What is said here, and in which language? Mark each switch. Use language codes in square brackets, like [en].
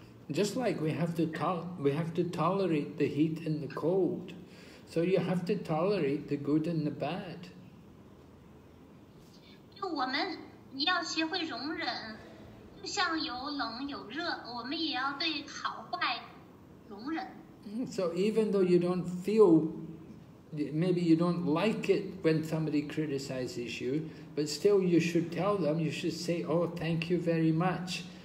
[en] Just like we have to tolerate the heat and the cold. So you have to tolerate the good and the bad. [zh] 我们要学会容忍，就像有冷有热，我们也要对好坏容忍。 [en] So even though you don't feel, maybe you don't like it when somebody criticizes you, but still you should tell them, you should say, oh, thank you very much.